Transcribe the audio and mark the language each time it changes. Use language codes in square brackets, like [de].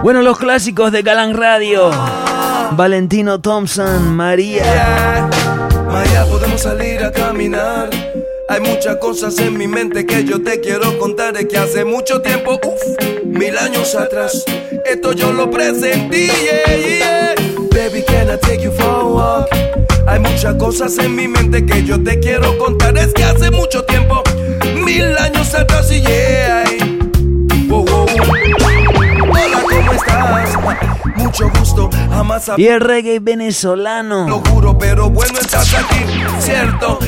[es] Bueno, los clásicos de Galán Radio. Valentino Thompson, María. María, podemos salir a caminar. Hay muchas cosas en mi mente que yo te quiero contar. Es que hace mucho tiempo, mil años atrás, esto yo lo presentí, yeah, yeah. [en] Baby, can I take you for a walk? [es] Hay muchas cosas en mi mente que yo te quiero contar. Es que hace mucho tiempo, mil años atrás, yeah. Wow, wow. Hola, ¿cómo estás? Mucho gusto, jamás y el reggae venezolano. Lo juro, pero bueno, estás aquí, cierto.